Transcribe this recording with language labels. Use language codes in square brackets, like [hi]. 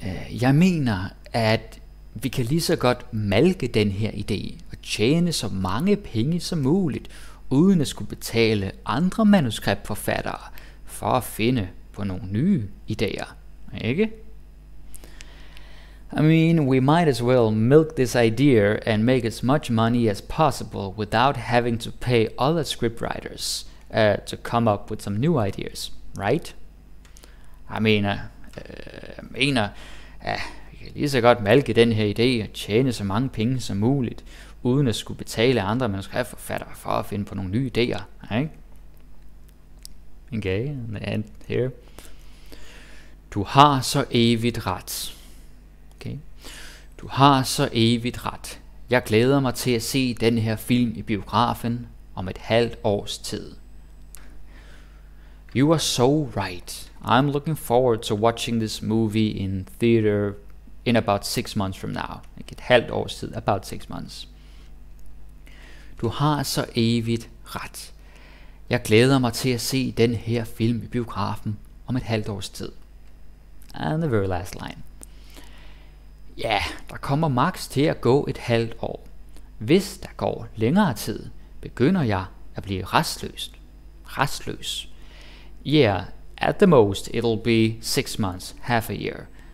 [da] Jeg mener, at vi kan lige så godt malke den her idé og tjene så mange penge som muligt, uden at skulle betale andre manuskriptforfattere for at finde på nogle nye idéer. Ikke? [en] I mean, we might as well milk this idea and make as much money as possible without having to pay other scriptwriters to come up with some new ideas, right? [da] Jeg mener, vi kan lige så godt malke den her idé og tjene så mange penge som muligt, uden at skulle betale andre manuskriptforfattere for at finde på nogle nye idéer, ikke? [en] Okay, and the end here. [da] Du har så evigt ret. [en] Okay. [da] Du har så evigt ret. Jeg glæder mig til at se den her film i biografen om et halvt års tid. [en] You are so right. I'm looking forward to watching this movie in theater in about 6 months from now. [da] Like et halvt års tid, [en] about 6 months. [da] Du har så evigt ret. Jeg glæder mig til at se den her film i biografen om et halvt års tid. [en] And the very last line. [da] Ja, der kommer max til at gå et halvt år. Hvis der går længere tid, begynder jeg at blive rastløs. Rastløs. [en] Yeah, at the most it'll be 6 months, half a year.